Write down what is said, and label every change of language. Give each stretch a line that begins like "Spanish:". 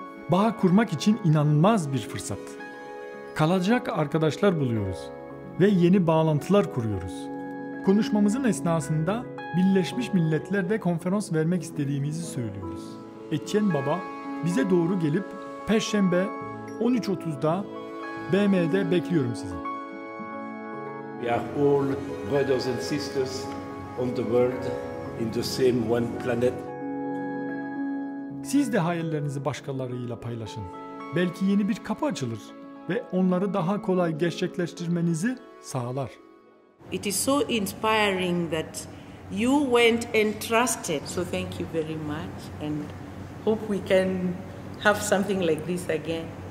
Turkish: Bağ kurmak için inanılmaz bir fırsat. Kalacak arkadaşlar buluyoruz ve yeni bağlantılar kuruyoruz. Konuşmamızın esnasında Birleşmiş Milletler'de konferans vermek istediğimizi söylüyoruz. Etienne Baba bize doğru gelip Perşembe 13.30'da BM'de bekliyorum sizi.
English: We are all brothers and sisters on the world in the same one planet.
Turkish: Siz de hayallerinizi başkalarıyla paylaşın. Belki yeni bir kapı açılır ve onları daha kolay gerçekleştirmenizi sağlar.
English: It is so inspiring that you went and trusted. So thank you very much and hope we can have something like this again.